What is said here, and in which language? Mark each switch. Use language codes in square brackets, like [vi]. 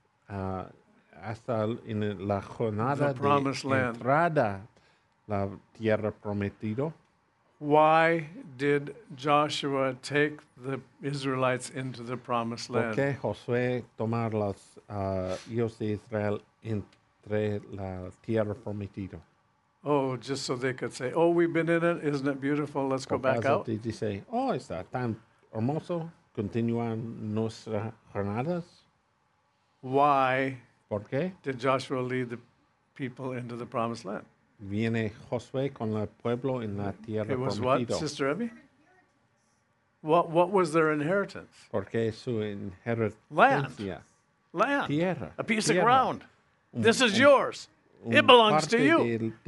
[es] hasta en la jornada de entrada la tierra prometida. [en] Why did Joshua take the Israelites into the promised land? [es] ¿Por qué Josué tomar los hijos de Israel entre la tierra prometida? [en] Oh, just so they could say, oh, we've been in it, isn't it beautiful, let's go back out. Did you say, [es] oh, está tan hermoso, continúan nuestras jornadas? [en] Why [es] ¿por qué? [en] Did Joshua lead the people into the promised land? [es] Viene Josué con el pueblo en la tierra prometida. [en] It was [es] prometido. [en] What, Sister Abby? What was their inheritance? [es] ¿Por qué su inheritancia? [en] Land. [es] Tierra. [en] A piece [es] tierra. [en] Of ground. This is yours. It belongs to you.